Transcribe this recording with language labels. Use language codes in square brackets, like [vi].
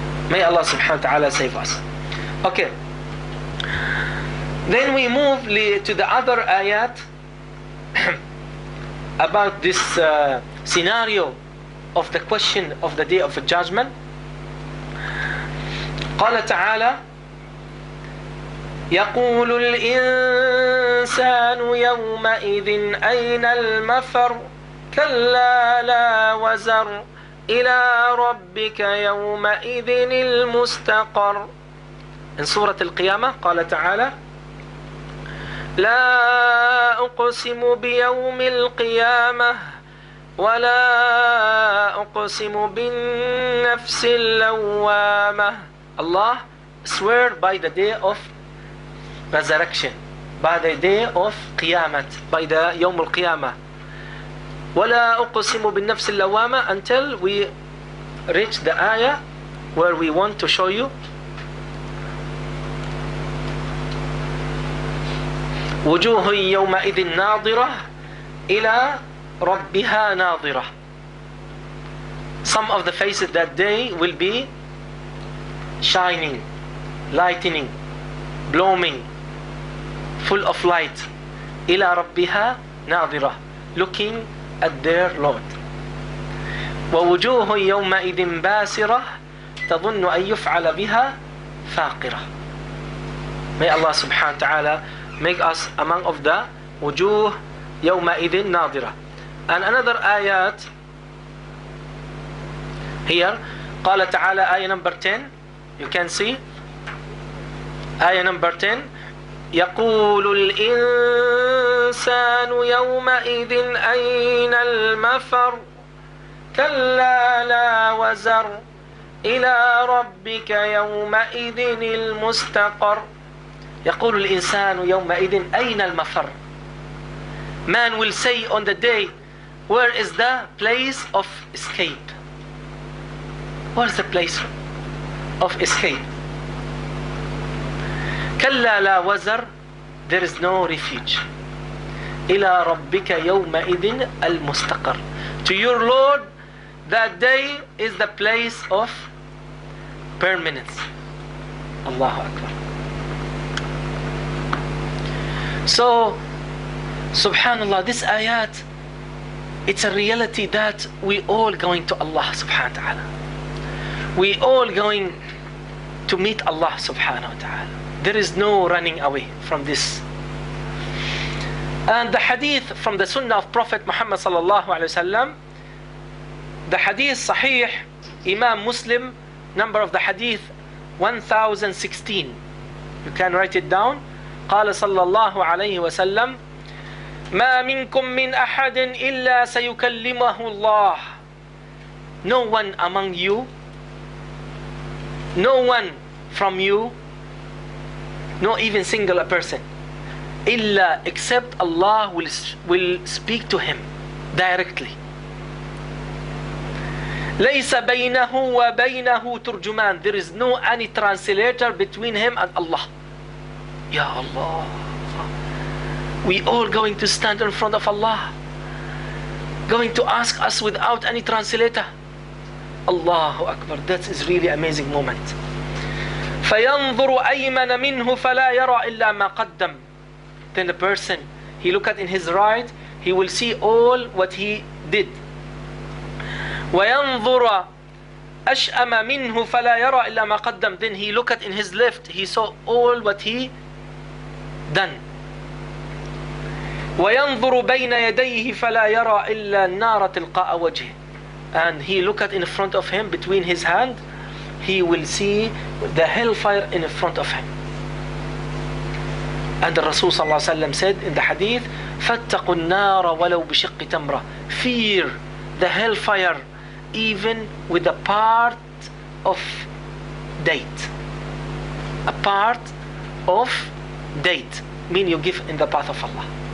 [en] May Allah subhanahu wa ta'ala save us. Okay. Then we move to the other ayat about this scenario of the question of the day of the judgment. [ar] قال تعالى يقول الإنسان يومئذ أين المفر كلا لا وزر إلى ربك يومئذ المستقر. [en] In Surah Al-Qiyamah, [ar] قال تعالى لا أقسم بيوم القيامة ولا أقسم بالنفس اللوامة. [en] Allah swear by the day of resurrection, by the day of Qiyamah, by the يوم القيامة. [ar] ولا أقسم بالنفس اللوامة [en] until we reach the ayah where we want to show you. [ar] وجوه يومئذ ناظرة إلى ربها ناظرة. [en] Some of the faces that day will be shining, lightening, blooming, full of light. [ar] إلى ربها ناظرة, [en] looking at their Lord. [ar] ووجوه يومئذ باسرة تظن أن يفعل بها فاقرة. [en] May Allah subhanahu wa ta'ala make us among of the [ar] wujuh yawma idhin nadira. [en] And another ayat here, qala ta'ala, ayah number 10, you can see ayah number 10, [ar] yaqulu al-insanu yawma idhin ayna al-mafar kalla la wazar ila rabbika yawma idhin al-mustaqar. يقول الإنسان يومئذ أين المفر. [en] Man will say on the day, where is the place of escape? Where is the place of escape? [ar] كلا لا وزر, [en] there is no refuge. [ar] إلى ربك يومئذ المستقر. [en] To your Lord, that day is the place of permanence. [ar] الله أكبر. [en] So, subhanAllah, this ayat, it's a reality that we all going to Allah subhanahu wa ta'ala. We all going to meet Allah subhanahu wa ta'ala. There is no running away from this. And the hadith from the sunnah of Prophet Muhammad sallallahu alayhi wa sallam, the hadith sahih, Imam Muslim, number of the hadith, 1016. You can write it down. [ar] قال صلى الله عليه وسلم ما منكم من أحد إلا سيكلمه الله. [en] No one among you, no one from you, not even single person, إلا except Allah will speak to him directly. [ar] ليس بينه وبينه ترجمان. [en] There is no any translator between him and Allah. يا الله. We all going to stand in front of Allah, going to ask us without any translator. Allahu Akbar. That is really amazing moment. [ar] فينظر أيمن منه فلا يرى إلا ما قدم. [en] Then the person, he look at in his right, he will see all what he did. [ar] وينظر أشأم منه فلا يرى إلا ما قدم. [en] Then he look at in his left, he saw all what he done. [ar] وينظر بين يديه فلا يرى إلا النار تلقاء وجهه. [en] And he look at in front of him, between his hand, he will see the hellfire in front of him. And the Rasul صلى الله عليه وسلم said in the hadith, [ar] فاتقوا النار ولو بشق تمرة. [en] Fear the hellfire even with a part of date. A part of date mean you give in the path of Allah.